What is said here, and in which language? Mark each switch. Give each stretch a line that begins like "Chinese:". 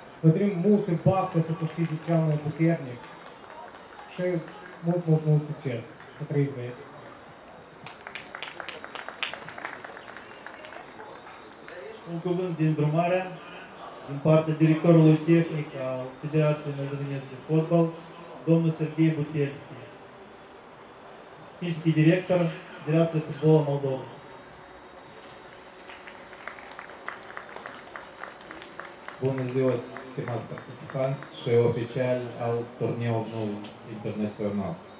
Romanian: Vă dorim mult în baftă să câștigi cel mai puternic și mult, mult, mult succes. Să trăiți, băieți! Un cuvânt de îndrumare din partea directorului tehnic al Federației Moldovene de Fotbal, domnul Sergei Butierski.
Russian: Технический директор Федерации футбола Молдовы.
Romanian: Bună ziua, stimați participanți și oficiali al turneului internațional.